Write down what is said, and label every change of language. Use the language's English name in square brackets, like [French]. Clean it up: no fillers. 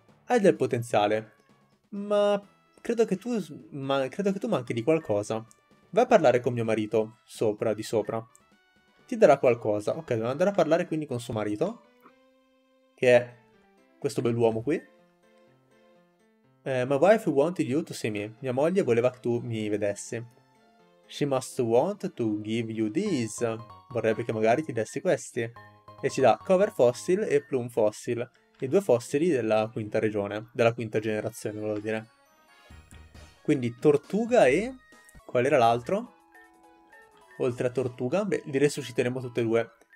[Italian] Hai del potenziale, ma credo che tu manchi di qualcosa. Vai a parlare con mio marito, sopra, di sopra. Ti darà qualcosa. Ok, devo andare a parlare quindi con suo marito, che è questo bell'uomo qui. [English] My wife wanted you to see me. [Italian] Mia moglie voleva che tu mi vedessi. [English] She must want to give you these. [Italian] Vorrebbe che magari ti dessi questi. E ci dà Cover Fossil e Plume Fossil. I due fossili della quinta regione, della quinta generazione, volevo dire. Quindi Tortuga e... qual era l'altro? Oltre a Tortuga, beh, li resusciteremo tutte e due.